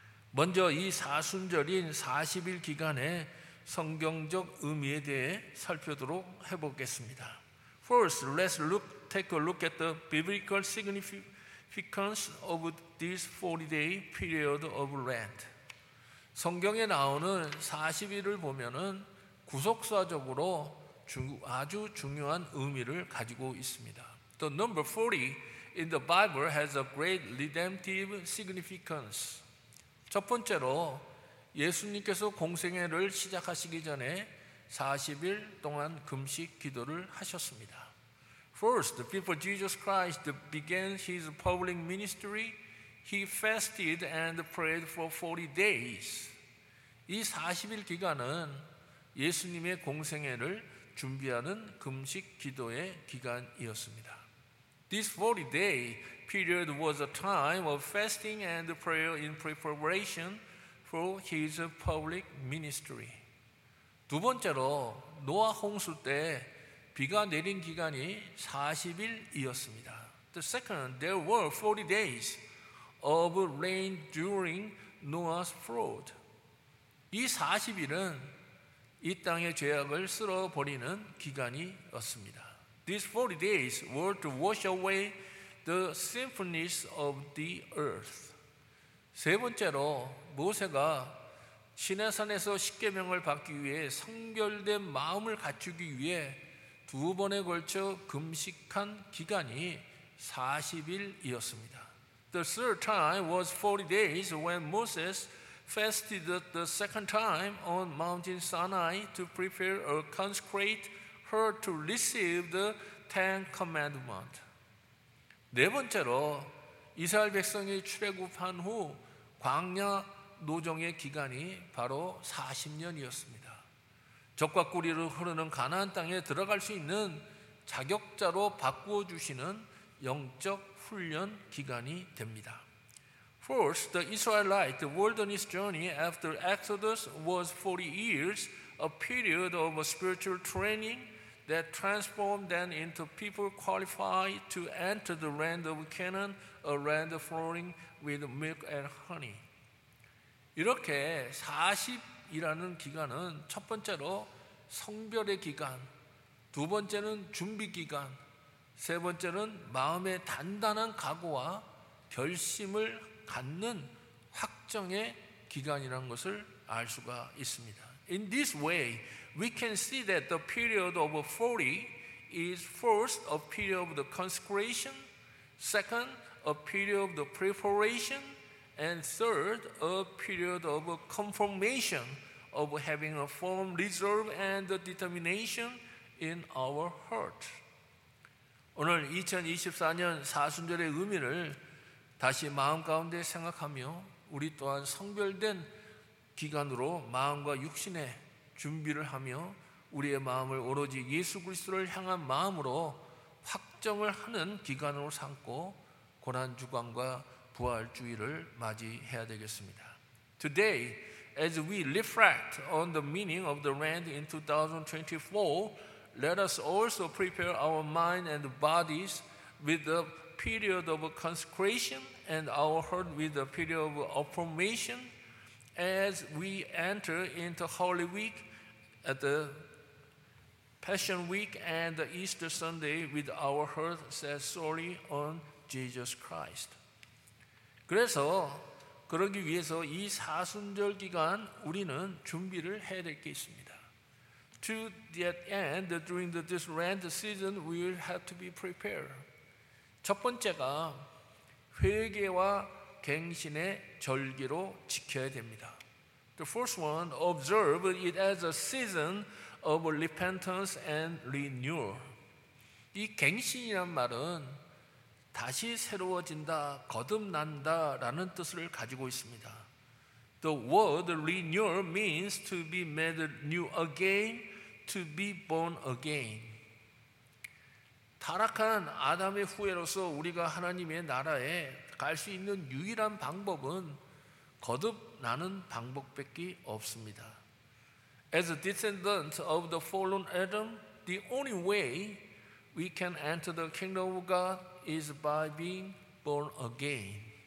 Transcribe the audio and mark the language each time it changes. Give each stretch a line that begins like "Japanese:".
Korean: 먼저 이 사순절인 40일 기간에 성경적 의미에 대해 살펴보도록 해보겠습니다.
English: First, let's take a look at the biblical significance of this 40-day period of Lent.
Korean: 성경에 나오는 40일을 보면은 구속사적으로 아주 중요한 의미를 가지고 있습니다.
English: The number 40 in the Bible has a great redemptive significance.
Korean: 첫 번째로 예수님께서 공생애를 시작하시기 전에 40일 동안 금식 기도를 하셨습니다.
English: First, before Jesus Christ began his public ministry, he fasted and prayed for 40 days.
Korean: 이 40일 기간은 예수님의 공생애를 준비하는 금식 기도의 기간이었습니다.
English: This 40-day period was a time of fasting and prayer in preparation for his public ministry.
Korean: 두 번째로 노아 홍수 때 비가 내린 기간이 40일이었습니다.
English: The second, there were 40 days of rain during Noah's flood.
Korean: 이 40일은 이 땅의 죄악을 쓸어버리는 기간이었습니다.
English: These 40 days were to wash away the sinfulness of the earth.
Korean: 세 번째로 모세가 시내산에서 십계명을 받기 위해 성결된 마음을 갖추기 위해 두 번에 걸쳐 금식한 기간이 40일이었습니다.
English: The third time was 40 days when Moses fasted the second time on Mount Sinai to prepare a consecrate heart to receive the Ten Commandments.
Korean: 네 번째로 이스라엘 백성이 출애굽한 후 광야 노정의 기간이 바로 40년이었습니다. 젖과 꿀이로 흐르는 가나안 땅에 들어갈 수 있는 자격자로 바꾸어 주시는 영적 훈련 기간이 됩니다.
English: First, the Israelite wilderness journey after Exodus was 40 years, a period of spiritual training that transformed them into people qualified to enter the land of Canaan, a land flowing with milk and honey.
Korean: 이렇게 40이라는 기간은 첫 번째로 성별의 기간, 두 번째는 준비 기간, 세 번째는 마음의 단단한 각오와 결심을 갖는 확정의 기간이라는 것을 알 수가 있습니다.
English: In this way, we can see that the period of 40 is first a period of the consecration, second a period of the preparation, and third, a period of confirmation of having a firm resolve and determination in our heart.
Korean: 오늘 2024년 사순절의 의미를 다시 마음 가운데 생각하며 우리 또한 성별된 기간으로 마음과 육신의 준비를 하며 우리의 마음을 오로지 예수 그리스도를 향한 마음으로 확정을 하는 기간으로 삼고 고난주간과 부활주의를 맞이해야 되겠습니다.
English: Today, as we reflect on the meaning of the Lent in 2024, let us also prepare our mind and bodies with the period of consecration and our heart with the period of affirmation as we enter into Holy Week at the Passion Week and Easter Sunday with our heart set solely on Jesus Christ.
Korean: 그래서 그러기 위해서 이 사순절 기간 우리는 준비를 해야 될 게 있습니다.
English: To that end, during this Lent season, we will have to be prepared.
Korean: 첫 번째가 회개와 갱신의 절기로 지켜야 됩니다.
English: The first one, observe it as a season of repentance and renewal.
Korean: 이 갱신이란 말은 다시 새로워진다, 거듭난다 라는 뜻을 가지고 있습니다.
English: The word renewal means to be made new again, to be born again.
Korean: 타락한 아담의 후예로서 우리가 하나님의 나라에 갈 수 있는 유일한 방법은 거듭나는 방법밖에 없습니다.
English: As a descendant of the fallen Adam, the only way we can enter the kingdom of God is by being born again.